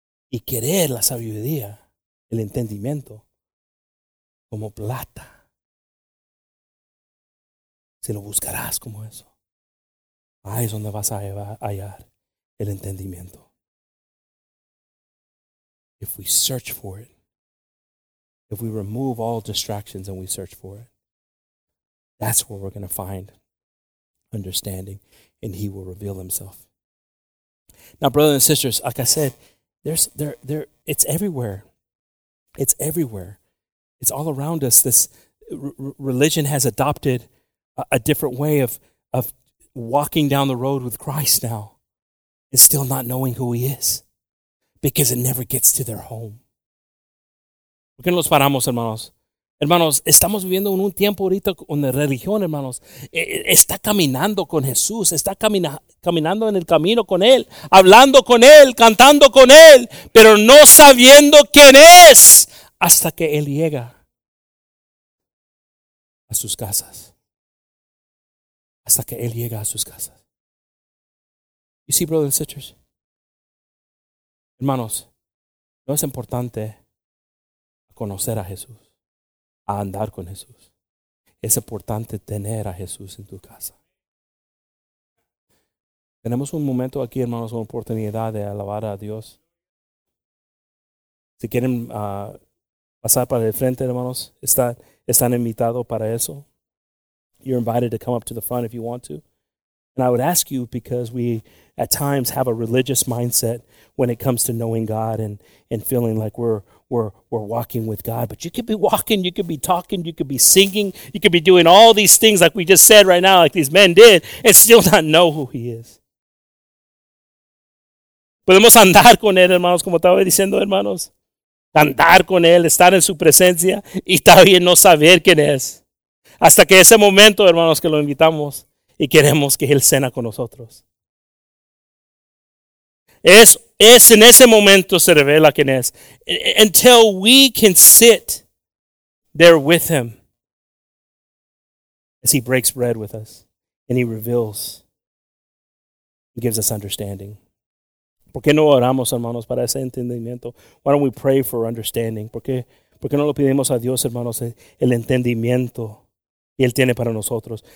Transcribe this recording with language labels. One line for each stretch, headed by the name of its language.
Spanish: y querer la sabiduría, el entendimiento, como plata, se lo buscarás como eso. Ahí es donde vas a hallar el entendimiento.
English: If we search for it, if we remove all distractions and we search for it, that's where we're going to find understanding, and he will reveal himself. Now, brothers and sisters, like I said, there's it's everywhere. It's everywhere. It's all around us. This religion has adopted a different way of walking down the road with Christ now, and still not knowing who he is, because it never gets to their home.
Spanish: ¿Por qué no los paramos, hermanos? Hermanos, estamos viviendo en un tiempo ahorita donde la religión, hermanos, está caminando con Jesús, está caminando en el camino con Él, hablando con Él, cantando con Él, pero no sabiendo quién es hasta que Él llega a sus casas. Hasta que Él llega a sus casas.
English: You see, brothers and sisters,
Spanish: hermanos, no es importante conocer a Jesús, a andar con Jesús. Es importante tener a Jesús en tu casa. Tenemos un momento aquí, hermanos, una oportunidad de alabar a Dios. Si quieren pasar para el frente, hermanos, están invitados para eso.
English: You're invited to come up to the front if you want to. And I would ask you, because we at times have a religious mindset when it comes to knowing God and feeling like we're walking with God. But you could be walking, you could be talking, you could be singing, you could be doing all these things like we just said right now, like these men did, and still not know who he is.
Spanish: Podemos andar con él, hermanos, como estaba diciendo, hermanos. Andar con él, estar en su presencia, y todavía no saber quién es. Hasta que ese momento, hermanos, que lo invitamos y queremos que él cena con nosotros. Es en ese momento se revela quién es.
English: Until we can sit there with him as he breaks bread with us and he reveals and gives us understanding.
Spanish: ¿Por qué no oramos, hermanos, para ese entendimiento?
English: Why don't we pray for understanding?
Spanish: ¿Por qué no lo pedimos a Dios, hermanos, el entendimiento que él tiene para nosotros?